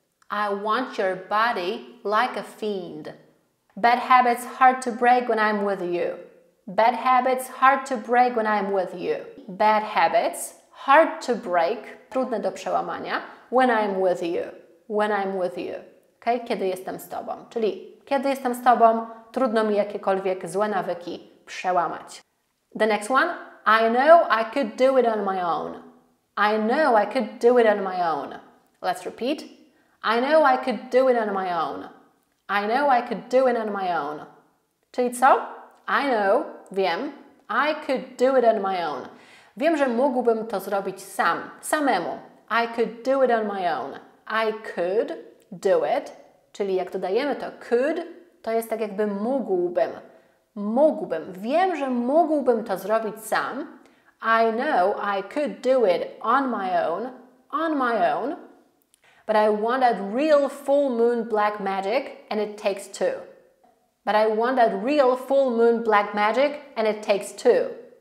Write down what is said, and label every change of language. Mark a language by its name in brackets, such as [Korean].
[English] I want your body like a fiend. Bad habits hard to break when I'm with you. Bad habits hard to break when I'm with you. Bad habits hard to break. [Polish] Trudne do przełamania, [English] when I'm with you, when I'm with you, okay? [Polish] Kiedy jestem z tobą, czyli kiedy jestem z tobą, trudno mi jakiekolwiek złe nawyki przełamać. [English] The next one, I know I could do it on my own, I know I could do it on my own, let's repeat, I know I could do it on my own, I know I could do it on my own, [Polish] czyli co? [English] I know, [Polish] wiem, [English] I could do it on my own. [Polish] Wiem, że mógłbym to zrobić sam, samemu. [English] I could do it on my own. I could do it. [Polish] Czyli jak dodajemy to could, to jest tak jakby mógłbym. Mógłbym. Wiem, że mógłbym to zrobić sam. [English] I know I could do it on my own. On my own. But I want that real full moon black magic and it takes two. But I want that real full moon black magic and it takes two.